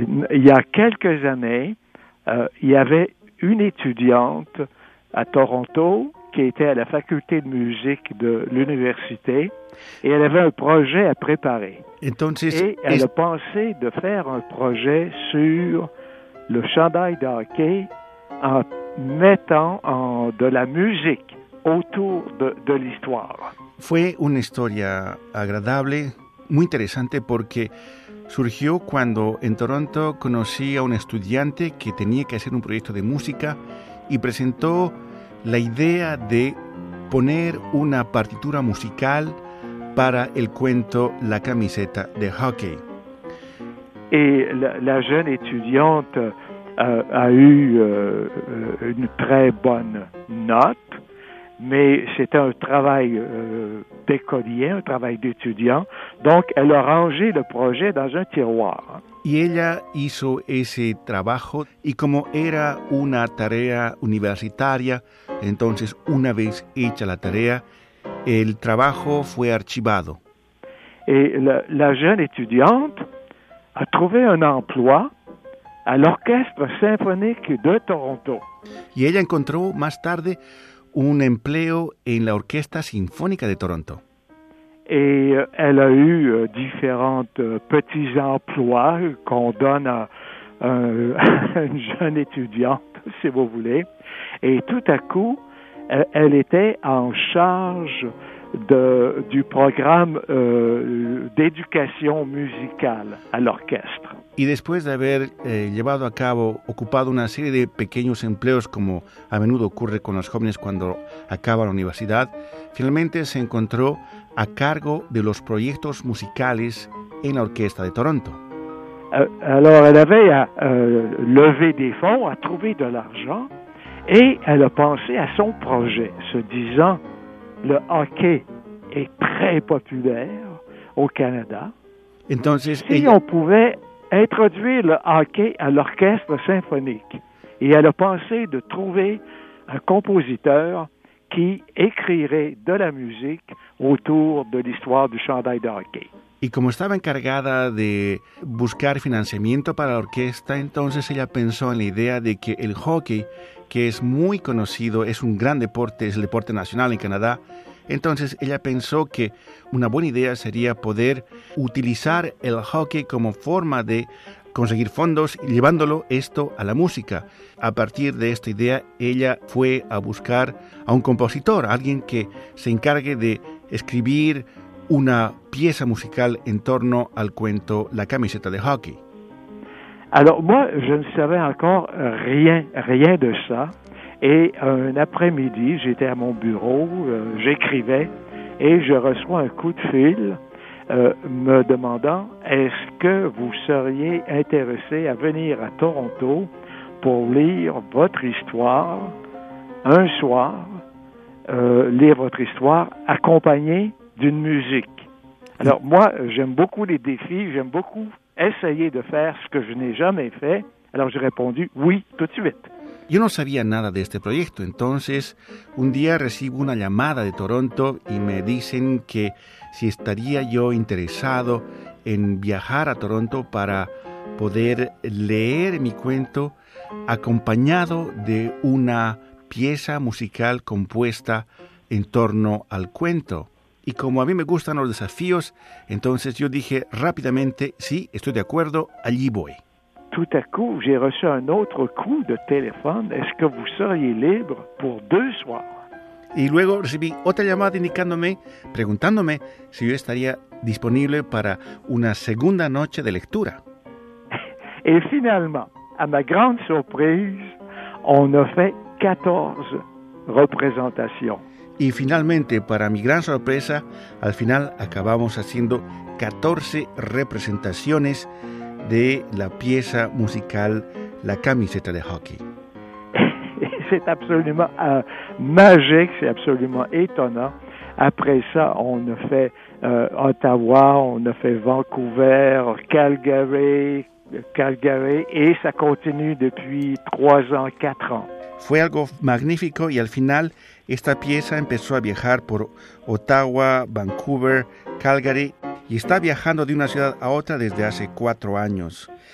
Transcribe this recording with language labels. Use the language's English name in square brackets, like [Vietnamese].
[French] Il y a quelques années, il y avait une étudiante à Toronto, qui était à la faculté de musique de l'université, et elle avait un projet à préparer. [Spanish] Entonces, [French] et elle a pensé de faire un projet sur le chandail de hockey en mettant de la musique autour de l'histoire. [Spanish] Fue una historia agradable, muy interesante, porque surgió cuando en Toronto conocí a un estudiante que tenía que hacer un proyecto de música y presentó la idea de poner una partitura musical para el cuento La camiseta de hockey. [French] Et la jeune étudiante a eu une très bonne note, mais c'était un travail d'écolier, un travail d'étudiant, donc elle a rangé le projet dans un tiroir. [Spanish] Y ella hizo ese trabajo y como era una tarea universitaria, entonces una vez hecha la tarea, el trabajo fue archivado. [French] Et la jeune étudiante a trouvé un emploi à l'Orchestre Symphonique de Toronto. [Spanish] Y ella encontró más tarde un empleo en la Orquesta Sinfónica de Toronto. [French] Et elle a eu différents petits emplois qu'on donne à une jeune étudiante, si vous voulez. Et tout à coup, elle était en charge du programme d'éducation musicale à l'orchestre. [Spanish] Y después de haber llevado a cabo, ocupado una serie de pequeños empleos, como a menudo ocurre con los jóvenes cuando acaba la universidad, finalmente se encontró a cargo de los proyectos musicales en la Orquesta de Toronto. [French] Alors, elle avait à lever des fonds, à trouver de l'argent, et elle a pensé à son projet, se disant, le hockey est très populaire au Canada. [Spanish] Entonces, [French] si on pouvait introduire le hockey à l'orchestre symphonique, et elle a pensé de trouver un compositeur qui écrirait de la musique autour de l'histoire du chandail de hockey. [Spanish] Y como estaba encargada de buscar financiamiento para la orquesta, entonces ella pensó en la idea de que el hockey, que es muy conocido, es un gran deporte, es el deporte nacional en Canadá, entonces ella pensó que una buena idea sería poder utilizar el hockey como forma de conseguir fondos y llevándolo esto a la música. A partir de esta idea, ella fue a buscar a un compositor, alguien que se encargue de escribir una pieza musicale en torno al cuento La camiseta de hockey. [French] Alors, moi, je ne savais encore rien de ça. Et un après-midi, j'étais à mon bureau, j'écrivais, et je reçois un coup de fil me demandant « Est-ce que vous seriez intéressé à venir à Toronto pour lire votre histoire un soir, lire votre histoire accompagnée d'une musique ?» Alors, moi, j'aime beaucoup les défis, j'aime beaucoup essayer de faire ce que je n'ai jamais fait. Alors, j'ai répondu oui, tout de suite. [Spanish] Yo no sabía nada de este proyecto. Entonces, un día recibo una llamada de Toronto y me dicen que si estaría yo interesado en viajar a Toronto para poder leer mi cuento acompañado de una pieza musical compuesta en torno al cuento. Y como a mí me gustan los desafíos, entonces yo dije rápidamente, sí, estoy de acuerdo, allí voy. [French] Tout à coup, j'ai reçu un autre coup de téléphone. Est-ce que vous seriez libre pour deux soirs? [Spanish] Y luego recibí otra llamada indicándome, preguntándome si yo estaría disponible para una segunda noche de lectura. [French] Et finalement, à ma grande surprise, on a fait 14 représentations. [Spanish] Y finalmente, para mi gran sorpresa, al final acabamos haciendo 14 representaciones de la pieza musical La camiseta de hockey. [French] C'est absolument magique, c'est absolument étonnant. Après ça, on a fait Ottawa, on a fait Vancouver, Calgary, et ça continue depuis 3 ans, 4 ans. [Spanish] Fue algo magnífico y al final esta pieza empezó a viajar por Ottawa, Vancouver, Calgary y está viajando de una ciudad a otra desde hace 4 años.